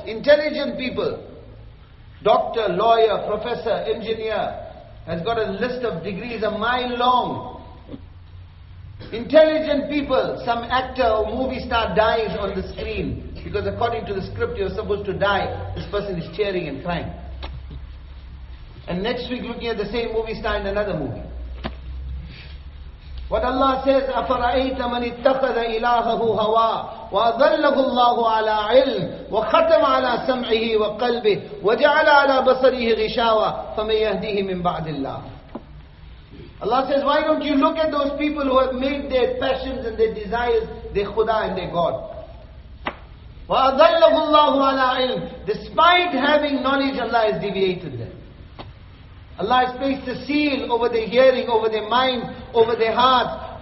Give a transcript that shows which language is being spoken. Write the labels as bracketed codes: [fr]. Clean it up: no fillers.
[en] Intelligent people. Doctor, lawyer, professor, engineer, has got a list of degrees a mile long. Intelligent people, some actor or movie star dies on the screen because according to the script you're supposed to die, this person is cheering and crying. And next week looking at the same movie star in another movie. What Allah says, [ar] أَفَرَأَيْتَ مَنِ اتَّخَذَ إِلَاهَهُ هَوَىٰ وَأَضَلَّهُ اللَّهُ عَلَىٰ عِلْمٍ وَخَتَمَ عَلَىٰ سَمْعِهِ وَقَلْبِهِ وَجَعَلَ عَلَىٰ بَصَرِهِ غِشَاوَىٰ فَمَنْ يَهْدِيهِ مِنْ بَعْدِ اللَّهِ. [en] Allah says, why don't you look at those people who have made their passions and their desires their khuda and their god? [ar] وَأَضَلَّهُ اللَّهُ عَلَىٰ عِلْمٍ. [en] Despite having knowledge, Allah has deviated them. Allah has placed a seal over their hearing, over their mind, over their heart.